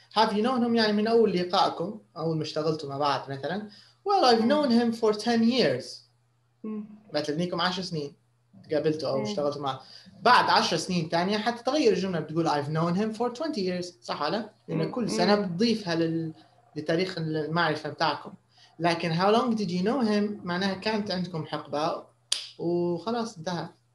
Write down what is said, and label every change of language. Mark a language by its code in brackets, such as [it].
[en] Have you known him [ar] يعني من أول لقائكم أول ما اشتغلتوا مع بعض مثلا. [en] Well, I've known him for 10 years. [ar] مثل نيكم 10 سنين قابلته أو اشتغلت معه. بعد 10 سنين تانية حتى تغير الجملة بتقول [en] I've known him for 20 years. [ar] صح على؟ لأن كل سنة بتضيفها لتاريخ المعرفة بتاعكم. لكن [en] how long did you know him [ar] معناها كانت عندكم حقبة وخلاص انتهى.